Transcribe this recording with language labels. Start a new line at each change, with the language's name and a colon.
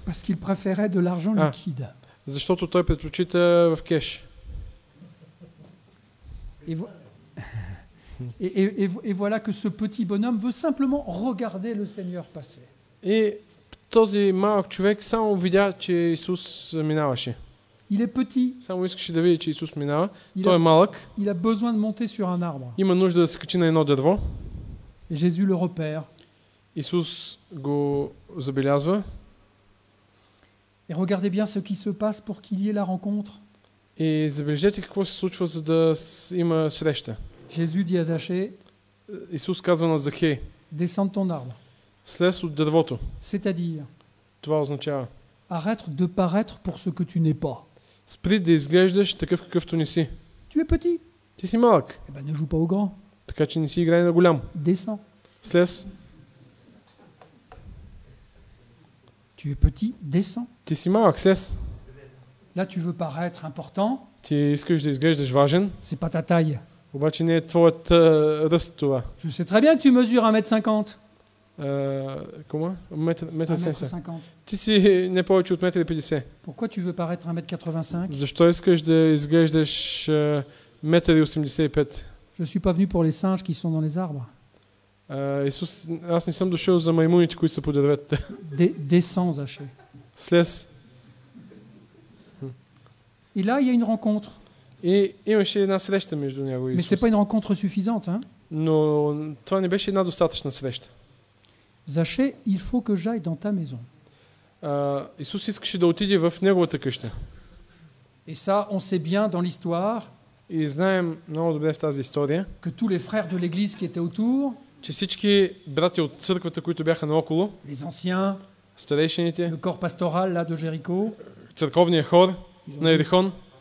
French: Parce qu'il préférait de l'argent liquide.
Bulgarian: Защото той предпочита в кеш.
French: Et voilà que ce petit bonhomme veut simplement regarder le Seigneur passer.
Bulgarian: И този малък човек само видя, че Исус минаваше.
French: Il est petit.
Bulgarian: Само искаше да види, че Исус минава. Той е малък.
French: Il a besoin de monter sur un arbre.
Bulgarian: Има нужда да се качи на едно дърво.
French: Et Jésus le repère.
Bulgarian: Исус го забелязва.
French: Et regardez bien ce qui se passe pour qu'il y ait la rencontre. Et
Bulgarian: забележете какво се случва, за да има среща.
French: Jésus dit à Zachée.
Bulgarian: Исус казва на Захей.
French: Descends ton arbre.
Bulgarian: Слез от дървото.
French: C'est-à-dire.
Bulgarian: Това означава.
French: Arrête de paraître pour ce que tu n'es pas.
Bulgarian: Спри да изглеждаш такъв какъвто не си.
French: Tu es petit.
Bulgarian: Ти си малък.
French: Eh ben, ne joue pas au grand.
Bulgarian: Така че не си играй на голям.
French: Descends.
Bulgarian: Слез.
French: Tu es petit, descends.
Bulgarian: Ти си малък, слез.
French: Là tu veux paraître important.
Bulgarian: Ти искаш да изглеждаш важен.
French: C'est pas ta taille.
Bulgarian: Обаче не е твоят ръст това.
French: Je sais très bien que tu mesures 1m50. Comment?
Bulgarian: 1m50. Ти си не повече от 1m50.
French: Pourquoi tu veux paraître 1m85?
Bulgarian: Защо искаш да изглеждаш 1m85?
French: Je suis pas venu pour les singes qui sont dans les arbres.
Bulgarian: Исус, аз не съм дошъл за маймуните, които са по дървета.
French: Descends, Zaché.
Bulgarian: Слез.
French: Et là, il y a une rencontre.
Bulgarian: И имаше една среща между него и Исус.
French: Mais c'est pas une rencontre suffisante, hein?
Bulgarian: Но това не беше една достатъчна среща.
French: Zaché, il faut que j'aille dans ta maison.
Bulgarian: Исус искаше да отиде в неговата къща.
French: Et ça, on sait bien dans l'histoire.
Bulgarian: И знаем много добре в тази история.
French: Que tous les frères de l'église qui étaient autour.
Bulgarian: Че всички брати от църквата, които бяха наоколо.
French: Les anciens.
Bulgarian: Старейшините.
French: Le corps pastoral là de Jéricho.
Bulgarian: Църковният хор на Ерихон.